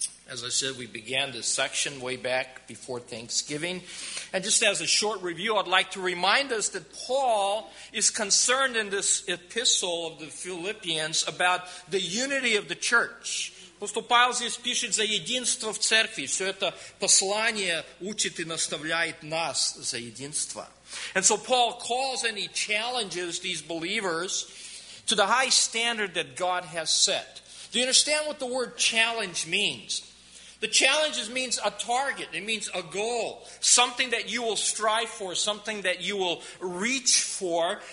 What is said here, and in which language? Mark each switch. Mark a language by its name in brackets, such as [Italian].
[English] As I said, we began this section way back before Thanksgiving. And just as a short review, I'd like to remind us that Paul is concerned in this epistle of the Philippians about the unity of the church. [Russian] Апостол Павел здесь пишет за единство в церкви. Все это послание учит и наставляет нас за единство. [English] And so Paul calls and he challenges these believers to the high standard that God has set. Do you understand what the word challenge means? The challenge means a target. It means a goal. Something that you will strive for. Something that you will reach for.